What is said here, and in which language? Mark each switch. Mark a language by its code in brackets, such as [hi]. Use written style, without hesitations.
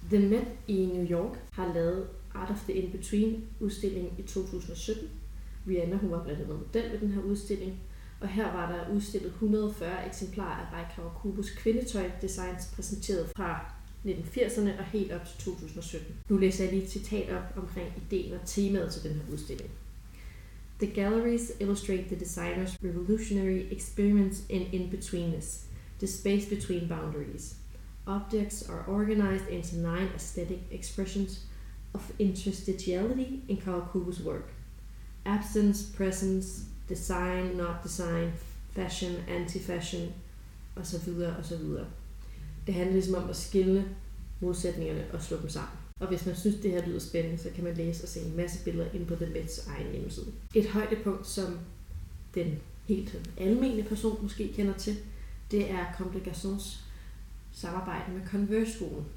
[da] The Met i New York har lavet Art of the In-Between udstillingen i 2017. Rihanna, hun var blandt andet model ved den her udstilling. Og her var der udstillet 140 eksemplarer af Rai Kawakubos kvindetøj designs præsenteret fra 1980'erne og helt op til 2017. Nu læser jeg lige et citat op omkring ideen og temaet til den her udstilling. [en] The galleries illustrate the designers' revolutionary experiments in in-betweenness, the space between boundaries. Objects are organized into nine aesthetic expressions of interstitiality in Kawakubo's work. Absence, presence, design, not design, fashion, anti-fashion, osv. [da] osv. Det handler ligesom om at skille modsætningerne og slå dem sammen. Og hvis man synes, det her lyder spændende, så kan man læse og se en masse billeder ind på The Met's egen hjemmeside. Et højdepunkt, som den helt almindelige person måske kender til, det er Comme des Garçons samarbejde med Converse-skolen.